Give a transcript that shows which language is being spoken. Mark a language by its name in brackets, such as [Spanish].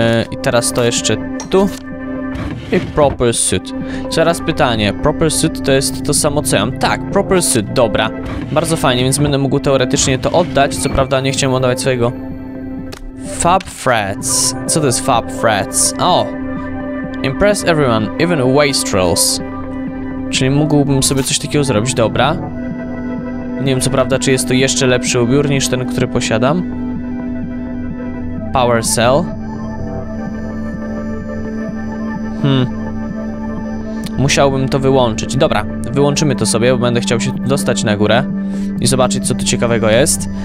[Polish] I teraz to jeszcze tu. I proper suit. Teraz pytanie, proper suit to jest to samo co ja mam? Tak, proper suit, dobra. Bardzo fajnie, więc będę mógł teoretycznie to oddać. Co prawda nie chciałem oddawać swojego... Fab Frets. Co to jest Fab Frets? O! [English] Impress everyone, even wastrels. [Polish] Czyli mógłbym sobie coś takiego zrobić, dobra. Nie wiem co prawda, czy jest to jeszcze lepszy ubiór niż ten, który posiadam. Power cell. Musiałbym to wyłączyć. Dobra, wyłączymy to sobie, bo będę chciał się dostać na górę i zobaczyć, co tu ciekawego jest.